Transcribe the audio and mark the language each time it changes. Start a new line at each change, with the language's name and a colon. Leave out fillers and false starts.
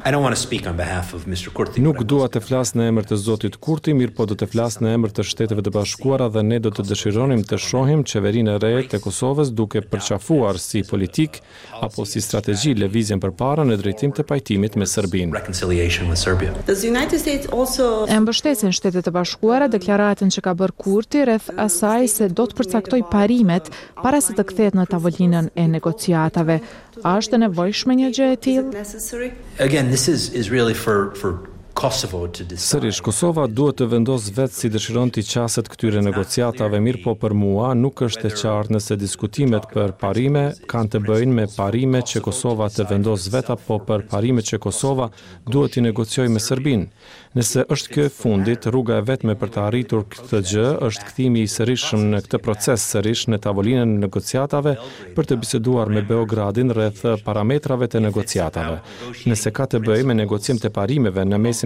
Albanian: Nuk dua të flas në emër të zotit Kurti, mirë po do të flas në emër të Shteteve të Bashkuara, dhe ne do të dëshironim të shohim qeverinë e re të Kosovës duke përqafuar si politik apo si strategji lëvizjen përpara në drejtim të pajtimit me Serbinë. E mbështesin Shtetet e Bashkuara deklaratën që ka bërë Kurti rreth asaj se do të përcaktoj parimet para se të kthehet në tavolinën e negociatave. A është e nevojshme një gjë e tillë?
English: Again, this is really for Kosovo to decide.
Albanian: Sërish, Kosova duhet të vendosë vetë si dëshiron të qaset këtyre negociatave, mirë po për mua nuk është e qartë nëse diskutimet për parime kanë të bëjnë me parime që Kosova të vendosë vetë apo për parime që Kosova duhet të negociojë me Serbinë. Nëse është kjo fundit, rruga e vetme për të arritur këtë gjë është kthimi i sërishëm në këtë proces sërish në tavolinën e negociatave për të biseduar me Beogradin rreth parametrave të negociatave. Nëse ka të bëjë me negocim të parimeve në mes